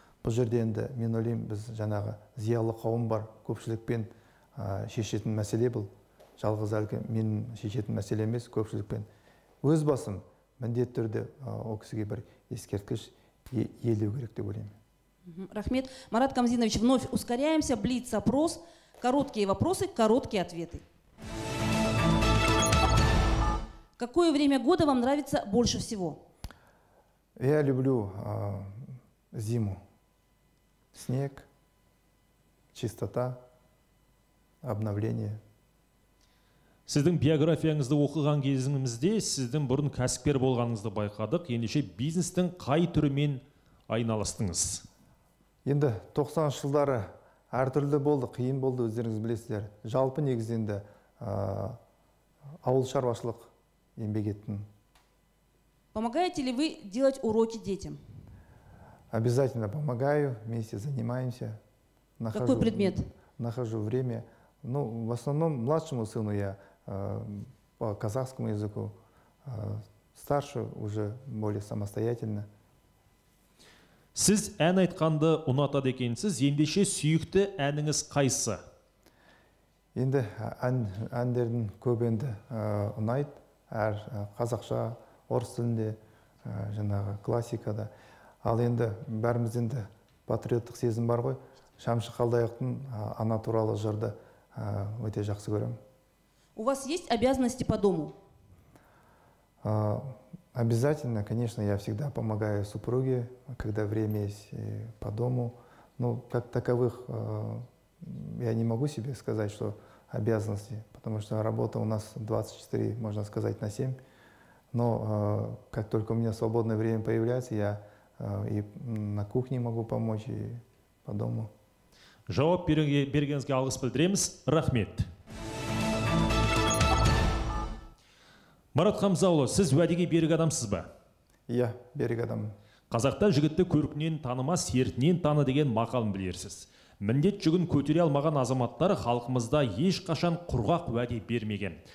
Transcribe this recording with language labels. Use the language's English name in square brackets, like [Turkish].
[Kazakh] Бұл жерде енді мен ойлаймын, біз жаңағы зиялы қауым бар, көпшілікпен шешетін мәселе бұл. Жалғыз әлгі мен шешетін мәселе емес, көпшілікпен. Өз басым міндетті түрде ол кісіге бір ескерткіш елеу керек деп ойлаймын. Рахмет. [Russian] Марат Камзинович, вновь ускоряемся. Блиц-опрос. Короткие вопросы, короткие ответы. Какое время года вам нравится больше всего? Я люблю зиму. Снег, чистота, обновление. [Kazakh] Сіздің биографияңызды оқыған кезіңізде, сіздің бұрын кәсіпкер болғаныңызды байқадық. Ендеше бизнестің қай түрімен айналыстыңыз? Енді 90 жылдары әртүрлі болды, қиын болды, өздеріңіз білесіздер. Жалпы негізінде ауыл шаруашылық еңбек еттім. [Russian] Помогаете ли вы делать уроки детям? Обязательно помогаю, вместе занимаемся. Нахожу, какой предмет? Нахожу время. Ну, в основном младшему сыну я по казахскому языку, старше уже более самостоятельно. [Kazakh] Сіз ән айтқанды ұнатады екенсіз, ендеше сүйікті әніңіз қайсы? Енді әндердің көбі енді ұнайды. Әр қазақша, орыс тілінде, жаңағы классикада. Ал енді бәріміз енді патриоттық сезім бар ғой. Шамшы Қалдаяқтың ана туралы жырды өте жақсы көремін. [Russian] У вас есть обязанности по дому? Обязательно, конечно, я всегда помогаю супруге, когда время есть по дому. Но как таковых я не могу себе сказать, что обязанности, потому что работа у нас 24, можно сказать, на 7. Но как только у меня свободное время появляется, я и на кухне могу помочь, и по дому. [Kazakh] Жауап бергеніңізге алғыс білдіреміз. Рахмет. Марат Хамзаұлы, сіз уәдеге берік адамсыз ба? Иә, берік адам. Қазақта жігітті көркінен танымас, сертінен таны деген мақалын білерсіз. Міндет жүгін көтере алмаған азаматтар халқымызда ешқашан құрғақ уәде бермеген.